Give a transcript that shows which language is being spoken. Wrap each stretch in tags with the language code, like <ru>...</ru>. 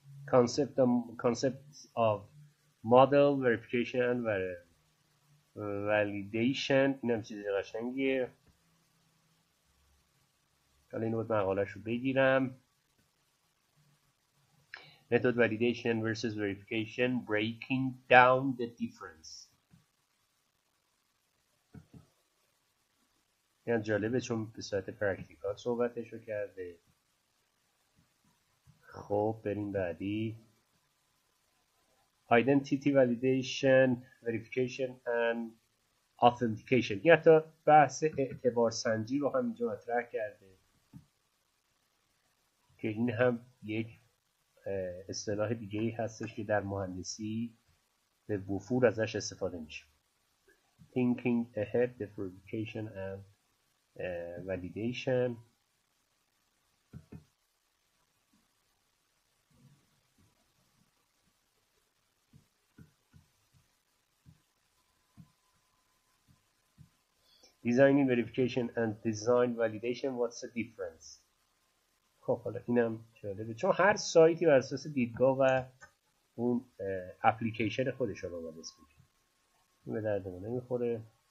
<en>concepts of model verification و validation.</en> <fa>این هم چیزی قشنگیه. حالا این بود مقالش رو بگیرم.</fa> <en>method validation versus verification breaking down the difference.</en> <fa>این هم جالبه چون به صورت پرکتیکال صحبتش رو کرده. خب بریم بعدی. identity validation verification and authentication، یه حتی بحث اعتبار سنجی رو هم اینجا مطرح کرده که این هم یک اصطلاح دیگه ای هستش که در مهندسی به وفور ازش استفاده میشه.</fa> <en>thinking ahead the verification and validation. Designing verification and design validation, what's the difference?</en> <fa>خب حالا اینم جالبه چون هر سایتی بر اساس دیدگاه و اون اپلیکیشن خودش رو باید اسمش این به درد ما نمیخوره.</fa>